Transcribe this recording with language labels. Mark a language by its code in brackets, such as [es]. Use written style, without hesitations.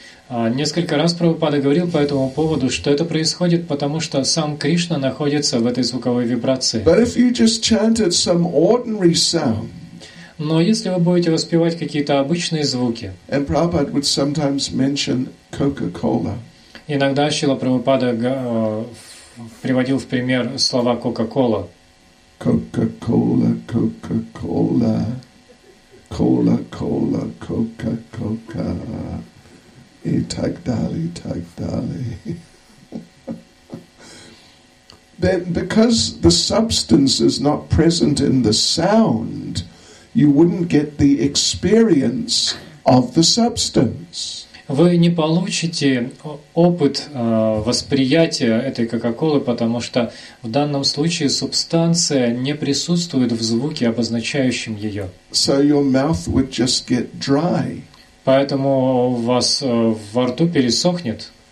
[ru] Несколько раз Прабхупада говорил по этому поводу, что это происходит потому, что сам Кришна находится в этой звуковой вибрации. [en] But if you just chanted some ordinary sound, [ru] но если вы будете воспевать какие-то обычные звуки, [en] and Prabhupada would sometimes mention Coca-Cola. [ru] Иногда Шрила Прабхупада приводил в пример слова Coca-Cola. Coca-Cola, Coca-Cola. Cola, cola, coca, coca, и так далее, и так далее. [en] Then, because the substance is not present in the sound, you wouldn't get the experience of the substance. [ru] Вы не получите опыт восприятия этой Кока-Колы, потому что в данном случае субстанция не присутствует в звуке, обозначающем ее. [en] So your mouth would just get dry. [ru] Поэтому у вас во рту пересохнет.